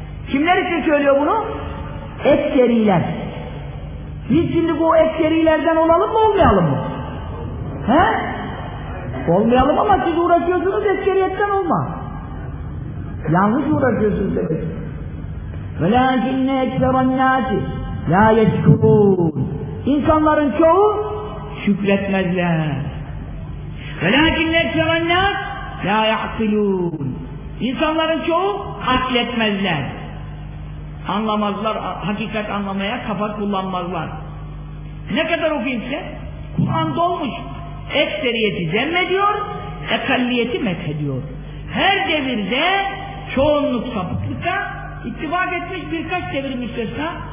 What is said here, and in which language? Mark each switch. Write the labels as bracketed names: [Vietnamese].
[Turkish] Kimler için söylüyor bunu? Ekseriler. Biz şimdi bu ekserilerden olalım mı olmayalım mı? He? Olmayalım ama siz uğraşıyorsunuz ekseriyetten olma. Yanlış uğraşıyorsunuz demek. [Arabic] وَلَاكِنَّ اَكْسَرَ النَّاسِ لَا يَشْكُرُونَ [Turkish] İnsanların çoğu şükretmezler. [Arabic] وَلَاكِنَّ اَكْسَرَ النَّاسِ لَا يَعْقِلُونَ [Turkish] İnsanların çoğu akletmezler. Anlamazlar, hakikat anlamaya kafa kullanmazlar. Ne kadar okuyunca? Kur'an dolmuş. Ekseriyeti zemmediyor, ekalliyeti methediyor. Her devirde çoğunluk sapıklıkta ittifak etmiş birkaç devir müstesna